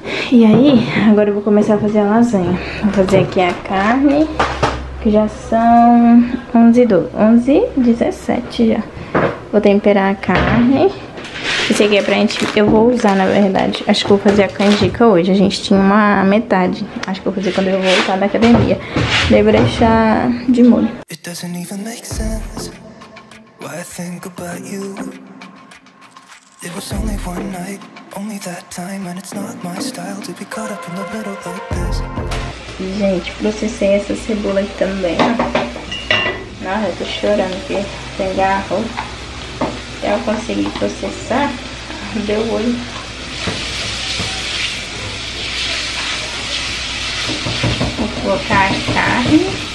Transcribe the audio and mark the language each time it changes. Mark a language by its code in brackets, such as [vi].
[pt] E aí, agora eu vou começar a fazer a lasanha. Vou fazer aqui a carne, que já são 11h17 já. Vou temperar a carne. Esse aqui é pra gente... Eu vou usar, na verdade. Acho que vou fazer a canjica hoje. A gente tinha uma metade. Acho que vou fazer quando eu voltar da academia. Daí vou deixar de molho. [en] Doesn't even make sense why I think about you. It was only one night, only that time, and it's not my style to be caught up in the middle like this. [pt] Gente, processei essa cebola aqui também, ó. Nossa, eu tô chorando aqui. Tem garro. Até eu consegui processar, deu olho. Vou colocar a carne.